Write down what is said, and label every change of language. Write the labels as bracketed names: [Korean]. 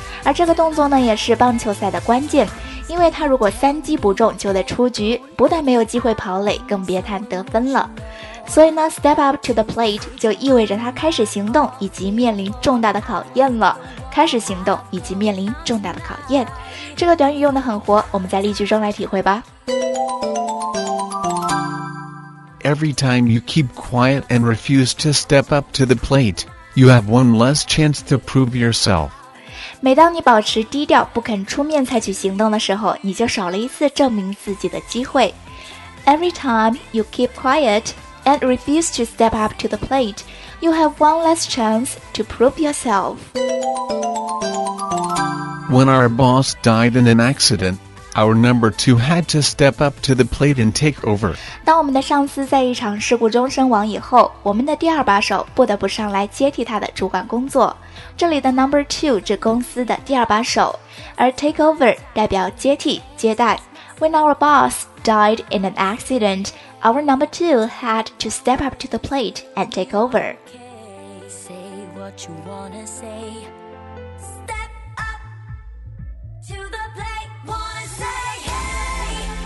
[Chinese] 而这个动作呢，也是棒球赛的关键，因为他如果三击不中就得出局，不但没有机会跑垒，更别谈得分了。所以呢 [English] step up to the plate [Chinese] 就意味着他开始行动以及面临重大的考验了，开始行动以及面临重大的考验。这个短语用得很活，我们在例句中来体会吧。 [English] Every time you keep quiet and refuse to step up to the plate, you have one less chance to prove yourself. [Chinese] 每当你保持低调不肯出面采取行动的时候，你就少了一次证明自己的机会。 [English] Every time you keep quiet and refuse to step up to the plate, you have one less chance to prove yourself. When our boss died in an accident, our number two had to step up to the plate and take over. [Chinese] 当我们的上司在一场事故中身亡以后，我们的第二把手不得不上来接替他的主管工作。这里的 number two 指公司的第二把手，而 take over 代表接替、接待。 [English] When our boss died in an accident, our number two had to step up to the plate and take over. Say what you wanna say. Step up to the plate, wanna say hey.